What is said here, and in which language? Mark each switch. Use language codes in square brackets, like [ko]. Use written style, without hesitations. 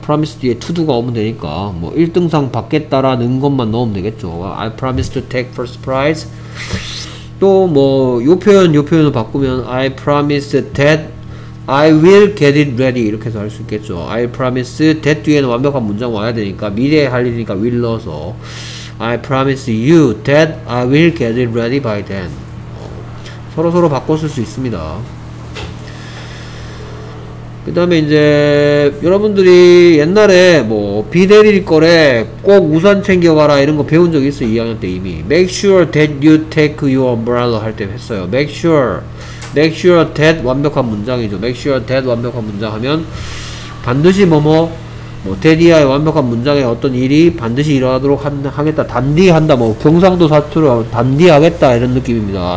[ko] promise 뒤에 to가 오면 되니까, 뭐, 1등상 받겠다라는 것만 넣으면 되겠죠. [en] I promise to take first prize. [ko] 또, 뭐, 요 표현, 요 표현으로 바꾸면, [en] I promise that I will get it ready. [ko] 이렇게 해서 할 수 있겠죠. [en] I promise that [ko] 뒤에는 완벽한 문장 와야 되니까, 미래에 할 일이니까 will 넣어서. [en] I promise you that I will get it ready by then. [ko] 서로서로 바꿔 쓸 수 있습니다. 그 다음에 이제 여러분들이 옛날에 뭐 비 내릴 거래 꼭 우산 챙겨가라 이런 거 배운 적 있어요. 2학년 때 이미. [en] Make sure that you take your umbrella [ko] 할 때 했어요. [en] Make sure that [ko] 완벽한 문장이죠. [en] Make sure that [ko] 완벽한 문장 하면 반드시 뭐뭐 뭐 데디아의 완벽한 문장에 어떤 일이 반드시 일어나도록 하겠다 단디한다 뭐 경상도 사투로 단디하겠다 이런 느낌입니다.